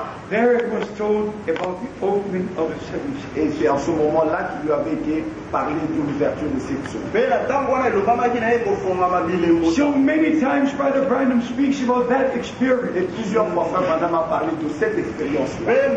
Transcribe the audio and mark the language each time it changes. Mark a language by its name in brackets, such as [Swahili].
[English] There it was told about the opening of the seven seas. [French] Et c'est en ce moment-là qu'il lui avait été parlé de l'ouverture de sept. [English] So many times Brother Branham speaks about that experience. [French] Et plusieurs fois Frère Branham a parlé de cette expérience-là.